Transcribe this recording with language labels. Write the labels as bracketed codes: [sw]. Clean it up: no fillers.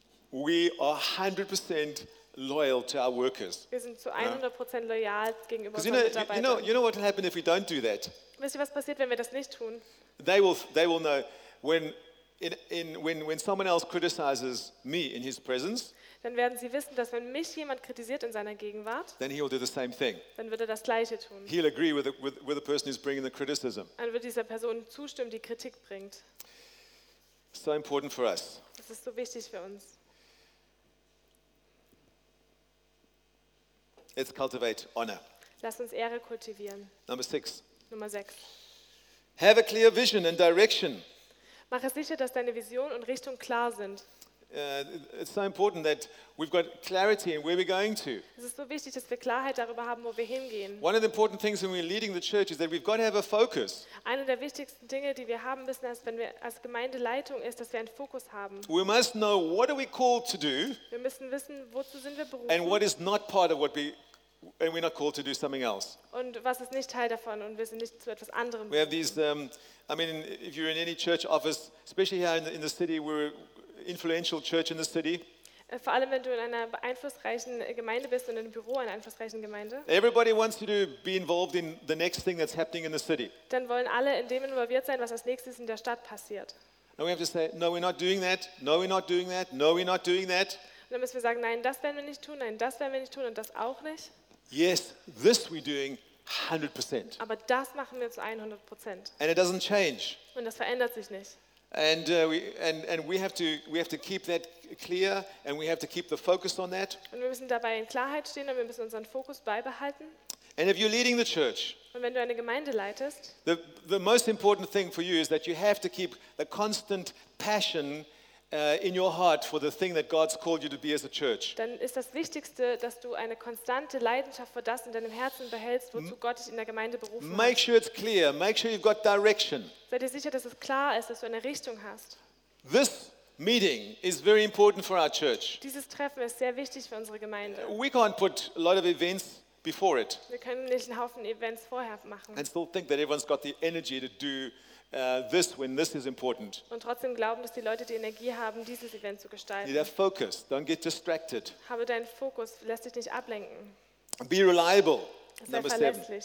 [en] We are 100% loyal to our workers. [de] Wir sind zu 100% loyal gegenüber unseren Mitarbeitern. [en] You know what will happen if we don't do that? [de] Wisst ihr, was passiert, wenn wir das nicht tun? [en] They will know when someone else criticizes me in his presence. [de] Dann werden sie wissen, dass wenn mich jemand kritisiert in seiner Gegenwart, [en] then he'll do the same thing. [de] Dann wird er das gleiche tun. [en] He'll agree with the person who's bringing the criticism. [de] Dann wird dieser Person zustimmen, die Kritik bringt. [en] So important for us. [de] Das ist so wichtig für uns. [en] Let's cultivate honor. [de] Lass uns Ehre kultivieren. Nummer 6. [en] Have a clear vision and direction. [de] Mache sicher, dass deine Vision und Richtung klar sind. [en] It's so important that we've got clarity in where we're going to. [de] Es ist so wichtig, dass wir Klarheit darüber haben, wo wir hingehen. [en] One of the important things when we're leading the church is that we've got to have a focus. [de] Eine der wichtigsten Dinge, die wir haben müssen, ist, wenn wir als Gemeindeleitung ist, dass wir einen Fokus haben. [en] We must know what are we called to do. [de] Wir müssen wissen, wozu sind wir berufen. [en] And what is not part of what we and we're not called to do something else. [de] Und was ist nicht Teil davon und wir sind nicht zu etwas anderem. [en] We have these, I mean, if you're in any church office, especially here in the city, we're influential church in the city. [de] Vor allem wenn du in einer einflussreichen Gemeinde bist und in einem Büro einer einflussreichen Gemeinde. [en] Everybody wants to be involved in the next thing that's happening in the city. [de] Dann wollen alle in dem involviert sein, was als nächstes in der Stadt passiert. [en] And we have to say, no, we're not doing that. No, we're not doing that. No, we're not doing that. [de] Und dann müssen wir sagen, nein, das werden wir nicht tun. Nein, das werden wir nicht tun und das auch nicht. [en] Yes, this we're doing 100%. [de] Aber das machen wir zu 100%. [en] And it doesn't change. [de] Und das verändert sich nicht. [en] And we have to keep that clear and we have to keep the focus on that. [de] Und wir müssen dabei in Klarheit stehen und wir müssen unseren Fokus beibehalten. [en] And if you're leading the church, [de] und wenn du eine Gemeinde leitest, [en] the most important thing for you is that you have to keep the constant passion in your heart for the thing that God's called you to be as a church. [de] Dann ist das Wichtigste, dass du eine konstante Leidenschaft für das in deinem Herzen behältst, wozu Gott dich in der Gemeinde berufen hat. [en] Make sure it's clear. Make sure you've got direction. [de] Sei dir sicher, dass es klar ist, dass du eine Richtung hast. [en] This meeting is very important for our church. [de] Dieses Treffen ist sehr wichtig für unsere Gemeinde. [en] We can't put a lot of events before it. [de] Wir können nicht einen Haufen Events vorher machen. [en] And still think that everyone's got the energy to do this when this is important. [de] Und trotzdem glauben, dass die Leute die Energie haben, dieses Event zu gestalten. [en] Need a focus. Don't get distracted. [de] Habe deinen Fokus. Lass dich nicht ablenken. [en] Be reliable. [de] Sei Number verlässlich.